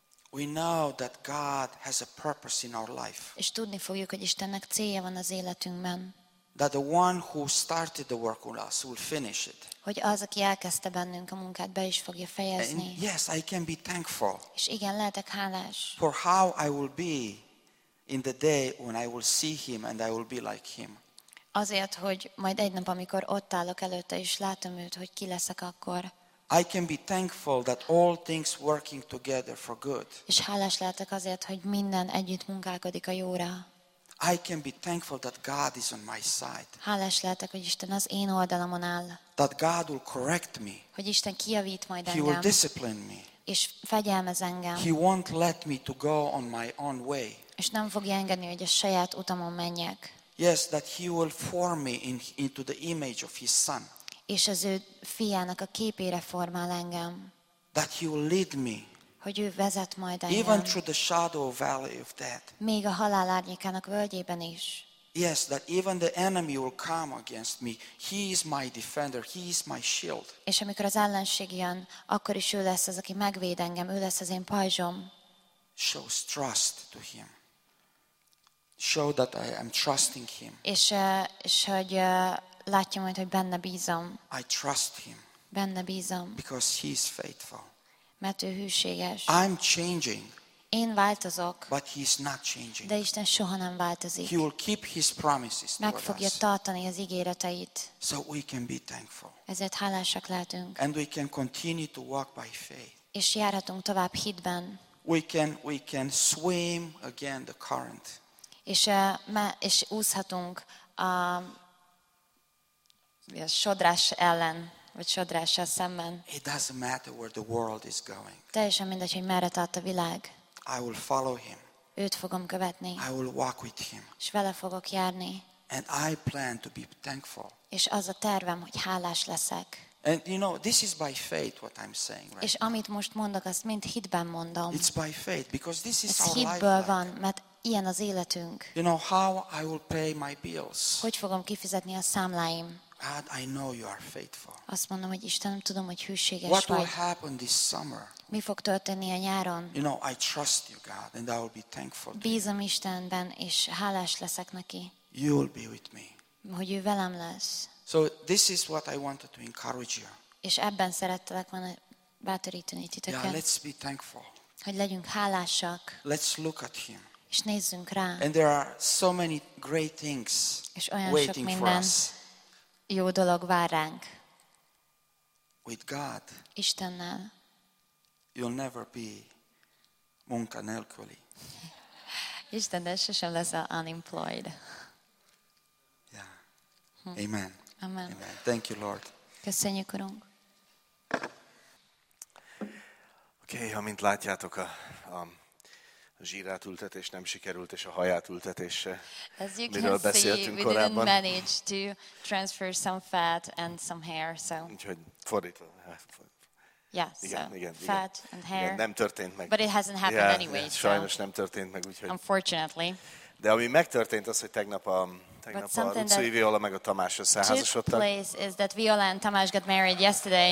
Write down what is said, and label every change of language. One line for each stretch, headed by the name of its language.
English: We know that God has a purpose in our life.
Hungarian: És tudni fogjuk, hogy Istennek célja van az életünkben.
English: That the one who started the work with us will finish it.
Hungarian: Hogy az, aki elkezdte bennünk a munkát, be is fogja fejezni.
English: And yes, I can be thankful.
Hungarian: És igen, lehetek hálás.
English: For how I will be in the day when I will see him and I will be like him.
Hungarian: Azért, hogy majd egy nap, amikor ott állok előtte, és látom őt, hogy ki leszek akkor.
English: I can be thankful that all things working together for good.
Hungarian: És hálás lehetek azért, hogy minden együtt munkálkodik a jóra.
English: I can be thankful that God is on my side.
Hungarian: Hálás lehetek, hogy Isten az én oldalamon áll.
English: That God will correct me.
Hungarian: Hogy Isten kijavít majd engem.
English: He will discipline me.
Hungarian: És fegyelmez engem.
English: He won't let me to go on my own way.
Hungarian: És nem fogja engedni, hogy a saját utamon menjek.
English: Yes, that he will form me into the image of his son.
Hungarian: És az ő fiának a képére formál engem.
English: That he will lead me.
Hungarian: Hogy ő vezet majd engem.
English: Even through the shadow valley of death.
Hungarian: Még a halál árnyékának völgyében is.
English: Yes, that even the enemy will come against me. He is my defender, he is my shield.
Hungarian: És amikor az ellenség jön, akkor is ő lesz az, aki megvéd engem, ő lesz az én pajzsom.
English: Shows trust to him. Show that I am trusting him.
Hungarian: És hogy látja majd, hogy benne bízom.
English: I trust him.
Hungarian: Benne bízom.
English: Because he is faithful.
Hungarian: Mert ő hűséges.
English: I'm changing.
Hungarian: Én változok.
English: But he is not changing.
Hungarian: De Isten soha nem változik.
English: He will keep his promises.
Hungarian: Meg fogja tartani az ígéreteit.
English: So we can be thankful.
Hungarian: Ezért hálásak lehetünk.
English: And we can continue to walk by faith.
Hungarian: És járhatunk tovább hitben.
English: We can swim again the current.
Hungarian: És úszhatunk a sodrás ellen, vagy sodrással szemben.
English: It doesn't matter where the world is going.
Hungarian: Teljesen mindegy, hogy merre tart a világ.
English: I will follow him.
Hungarian: Őt fogom követni.
English: I will walk with him.
Hungarian: És vele fogok járni.
English: And I plan to be thankful.
Hungarian: És az a tervem, hogy hálás leszek.
English: And you know, this is by faith what I'm saying, right?
Hungarian: És amit most mondok, azt mind hitben mondom.
English: It's by faith because this is our life.
Hungarian: Hitből van, mert ilyen az életünk.
English: You know how I will pay my bills.
Hungarian: Hogy fogom kifizetni a számláim?
English: God, I know you are faithful.
Hungarian: Azt mondom, hogy Istenem, tudom, hogy hűséges
English: what
Hungarian: vagy.
English: What will happen this summer?
Hungarian: Mi fog történni a nyáron?
English: You know, I trust you, God, and I will be thankful.
Hungarian: Bízom Istenben, és hálás leszek neki.
English: You will be with me.
Hungarian: Hogy ő velem lesz.
English: So this is what I wanted to encourage you.
Hungarian: És ebben szerettelek volna bátorítani titeket.
English: Yeah, let's be thankful.
Hungarian: Hogy legyünk hálásak.
English: Let's look at him.
Hungarian: És nézzünk rá.
English: And there are so many great things waiting for us.
Hungarian: Jó dolog vár ránk.
English: With God.
Hungarian: Istennel.
English: You'll never be
Hungarian: munka nélküli. Istennel sosem lesz
English: unemployed. Yeah. Amen. Amen. Amen. Thank you, Lord.
Hungarian: Köszönjük, Urunk. Okay, ha mint látjátok a zsírát ültetés nem sikerült, és a haját ültetés se.
English: As you can see, we
Hungarian: korábban.
English: Didn't manage to transfer some fat and some hair, so.
Hungarian: Úgyhogy fordítva.
English: Yeah, fat and hair.
Hungarian: Igen, nem történt meg.
English: But it hasn't happened anyway.
Hungarian: Yeah, sajnos nem történt meg, úgyhogy.
English: Unfortunately.
Hungarian: De ami megtörtént az, hogy tegnap a Rucai Viola meg a Tamás összeházasodtak.
English: Took place is that Viola and Tamás got married yesterday.